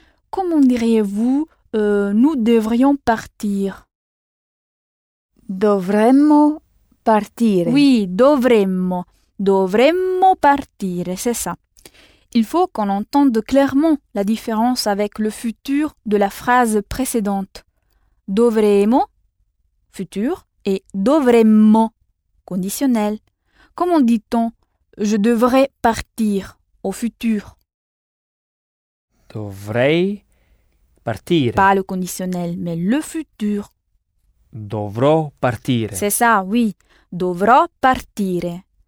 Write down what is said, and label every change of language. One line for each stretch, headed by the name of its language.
French: Comment diriez-vous, nous devrions partir?
Italian: Dovremmo partire. Oui, dovremmo. Dovremmo partire,
French: c'est ça. Il faut qu'on entende clairement la différence avec le futur de la phrase précédente. Dovremmo, futur, et dovremmo, conditionnel. Comment dit-on « je devrais partir » au futur?
Italian: Dovrei partire.
French: Pas le conditionnel, mais le futur.
Italian: Dovrò partire.
French: C'est ça, oui.
Italian: Dovrò partire.